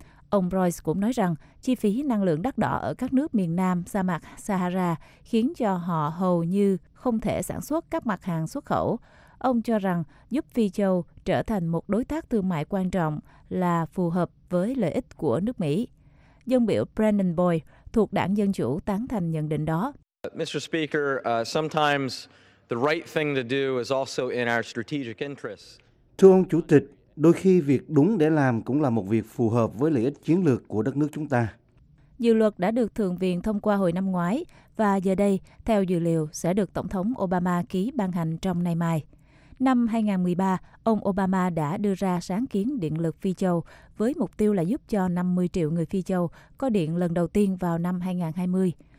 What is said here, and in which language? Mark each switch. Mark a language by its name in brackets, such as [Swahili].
[Vietnamese] Ông Royce cũng nói rằng, chi phí năng lượng đắt đỏ ở các nước miền Nam, sa mạc Sahara khiến cho họ hầu như không thể sản xuất các mặt hàng xuất khẩu. Ông cho rằng giúp Phi Châu trở thành một đối tác thương mại quan trọng là phù hợp với lợi ích của nước Mỹ. Dân biểu Brandon Boyd thuộc Đảng Dân Chủ tán thành nhận định đó. [English] Mr. Speaker, sometimes the right thing to do is also in our strategic interests. [Vietnamese] Thưa ông Chủ tịch, đôi khi việc đúng để làm cũng là một việc phù hợp với lợi ích chiến lược của đất nước chúng ta. Dự luật đã được Thượng viện thông qua hồi năm ngoái và giờ đây, theo dự liệu, sẽ được Tổng thống Obama ký ban hành trong nay mai. Năm 2013, ông Obama đã đưa ra sáng kiến điện lực Phi Châu với mục tiêu là giúp cho 50 triệu người Phi Châu có điện lần đầu tiên vào năm 2020.